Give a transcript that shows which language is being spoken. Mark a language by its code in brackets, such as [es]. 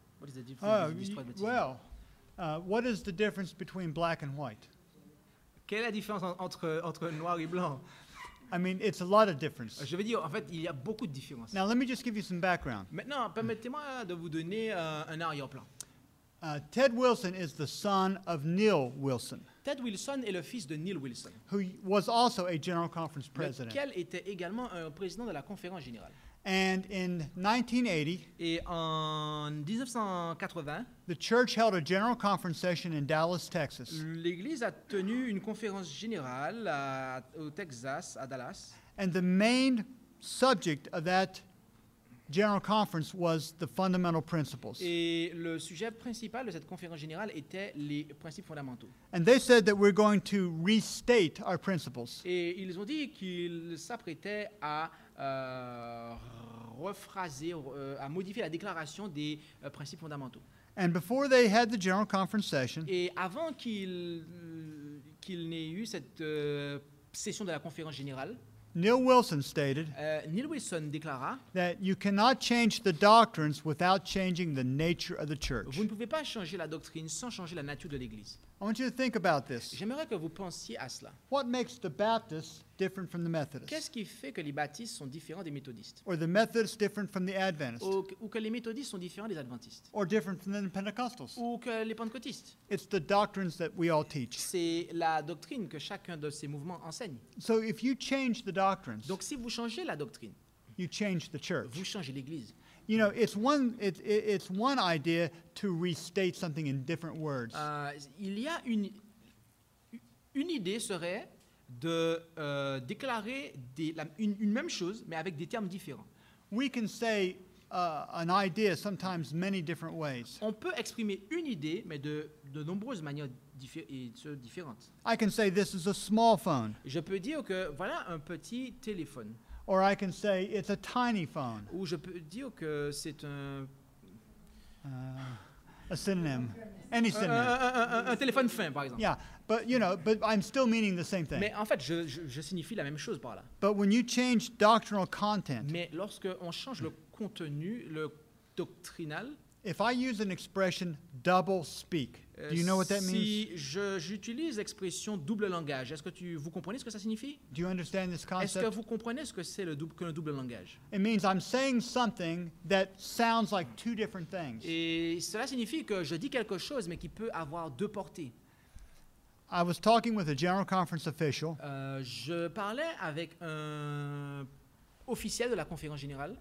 [en] What is the difference between these two Adventists? Well, what is the difference between black and white? [fr] Quelle est la différence entre noir et blanc? [en] I mean, it's a lot of difference. [fr] Je veux dire, en fait, il y a beaucoup de différences. [en] Now, let me just give you some background. [fr] Maintenant, permettez-moi de vous donner un arrière-plan. [en] Ted Wilson is the son of Neil Wilson. [fr] Ted Wilson est le fils de Neil Wilson, [en] who was also a General Conference president. [fr] Lequel était également un président de la conférence générale. [en] And in 1980, [fr] et en 1980, [en] the church held a General Conference session in Dallas, Texas. [fr] L'église a tenu une conférence générale au Texas, à Dallas. [en] And the main subject of that General Conference was the fundamental principles. [fr] Et le sujet principal de cette conférence générale était les principes fondamentaux. [en] And they said that we're going to restate our principles. [fr] Et ils ont dit qu'ils s'apprêtaient à à modifier la déclaration des principes fondamentaux. [en] And before they had the General Conference session, [fr] et avant qu'il n'ait eu cette session de la conférence générale, [en] Neil Wilson stated [fr] Neil Wilson déclara [en] that you cannot change the doctrines without changing the nature of the church. [fr] Vous ne pouvez pas changer la doctrine sans changer la nature de l'église. [en] I want you to think about this. [fr] J'aimerais que vous pensiez à cela. [en] What makes the Baptists different from the Methodists? [fr] Qu'est-ce qui fait que les Baptistes sont différents des Méthodistes? [en] Or the Methodists different from the Adventists? [fr] Ou que les Méthodistes sont différents des Adventistes? [en] Or different from the Pentecostals? [fr] Ou que les Pentecôtistes? [en] It's the doctrines that we all teach. [fr] C'est la doctrine que chacun de ces mouvements enseigne. [en] So if you change the doctrines, [fr] donc si vous changez la doctrine, [en] you change the church. [fr] Vous changez l'Église. [en] You know, it's one idea to restate something in different words. [fr] Il y a une idée serait de déclarer une même chose mais avec des termes différents. [en] We can say an idea sometimes many different ways. [fr] On peut exprimer une idée mais de nombreuses manières différentes. [en] I can say this is a small phone. [fr] Je peux dire que voilà un petit téléphone. [en] Or I can say it's a tiny phone. [fr] Ou je peux dire que c'est un [en] a synonym, any synonym. [fr] Un téléphone fin, par exemple. [en] Yeah, but you know, but I'm still meaning the same thing. [fr] Mais en fait, je signifie la même chose par là. [en] But when you change doctrinal content. [fr] Mais lorsque on change le contenu, le doctrinal. [en] If I use an expression double speak, do you know what that means? [fr] Si j'utilise l'expression double langage, est-ce que vous comprenez ce que ça signifie? [en] Do you understand this concept? [fr] Est-ce que vous comprenez ce que c'est le double langage? [en] It means I'm saying something that sounds like two different things. [fr] Et cela signifie que je dis quelque chose mais qui peut avoir deux portées. [en] I was talking with a General Conference official. [fr] Je parlais avec un officiel de la conférence générale.